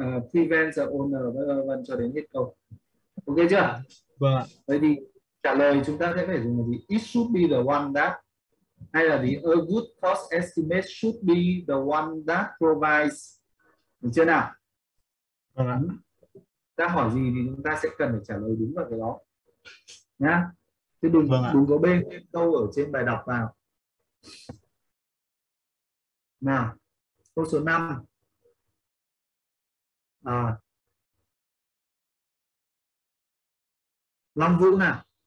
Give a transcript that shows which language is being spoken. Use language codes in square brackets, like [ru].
[en] Prevents the owner, [vi] vân cho đến hết câu. Ok chưa? Vâng. Vậy thì trả lời chúng ta sẽ phải dùng là gì? [en] It should be the one that, [vi] hay là gì? [en] A good cost estimate should be the one that provides. [vi] Được chưa nào? Vâng ạ. Ta hỏi gì thì chúng ta sẽ cần phải trả lời đúng vào cái đó nhá. Chứ đừng, vâng đừng có bê câu ở trên bài đọc vào. Nào, câu số 5. À, Long Vũ nào.